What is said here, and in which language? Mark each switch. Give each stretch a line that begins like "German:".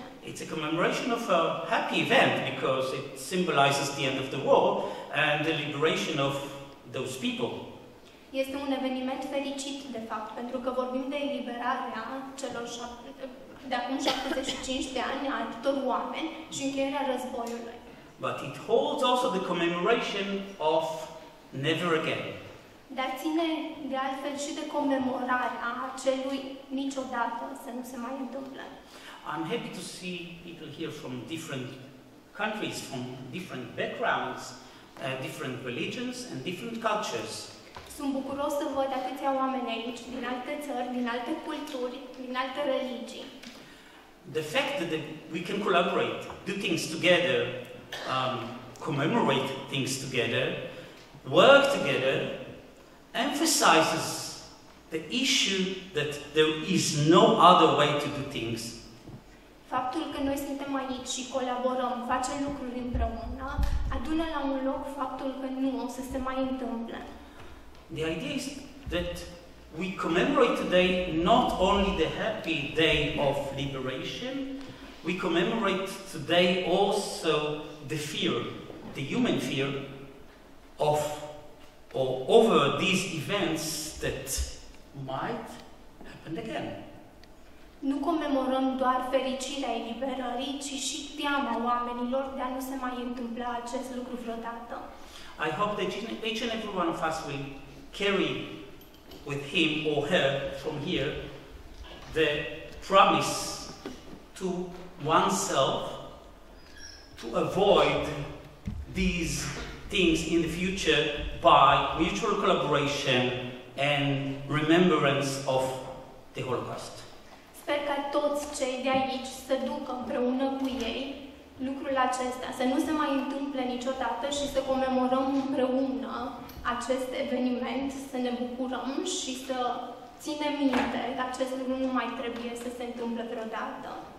English: It's a commemoration of a happy event because it symbolizes the end of the war and the liberation of those people.
Romanian: Este un eveniment fericit de fapt, pentru că vorbim de eliberarea celor de acum 75 de ani a acestor oameni și încheierea războiului.
English: But it holds also the commemoration of never again.
Romanian: Dar ține de altfel și de comemorarea acelui niciodată să nu se mai întâmple.
English: I'm happy to see people here from different countries, from different backgrounds, different religions and different cultures.
Romanian: Sunt bucuros să văd atâția oameni aici, din alte țări, din alte culturi, din alte religii.
English: The fact that we can collaborate, do things together, commemorate things together, work together, emphasizes the issue that there is no other way to do things.
Romanian: Faptul că noi suntem aici și colaborăm, facem lucruri împreună, adună la un loc faptul că nu o să se mai întâmple.
English: The idea is that we commemorate today not only the happy day of liberation, we commemorate today also the fear, the human fear of or over these events that might happen again.
Romanian: Nu comemorăm doar fericirea eliberării, ci și teama oamenilor de a nu se mai întâmpla acest lucru vreodată.
English: I hope that each and every one of us will carry with him or her from here the promise to oneself to avoid these things in the future by mutual collaboration and remembrance of the Holocaust.
Romanian: Sper ca toți cei de aici să ducă împreună cu ei lucrul acesta, să nu se mai întâmple niciodată și să comemorăm împreună acest eveniment, să ne bucurăm și să ținem minte că acest lucru nu mai trebuie să se întâmple vreodată.